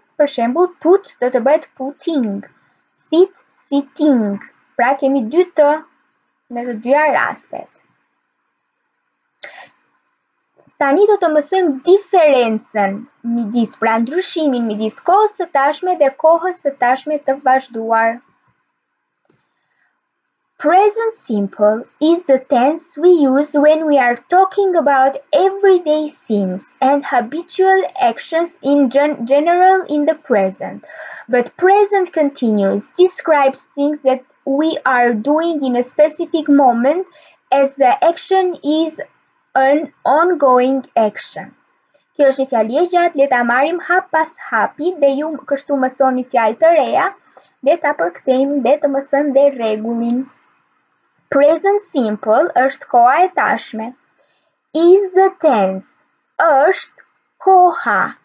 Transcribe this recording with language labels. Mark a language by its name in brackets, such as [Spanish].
[Albanian] Për shembull, put do të bëhet putting, sit sitting. Pra, kemi dy të në të dyja rastet. Tani do të mësojmë diferencën midis, pra ndryshimin midis kohës së tashme dhe kohës së tashme të vazhduar. [English] Present simple is the tense we use when we are talking about everyday things and habitual actions in general in the present. But present continuous describes things that we are doing in a specific moment as the action is an ongoing action. [Albanian] Kjo është një fjalë e gjatë, le ta marrim hap pas hapi dhe ju kështu mësoni fjalë të reja, le ta përkthejmë dhe të mësojmë dhe rregullin. Present simple është koha e tashme. Is the tense është koha.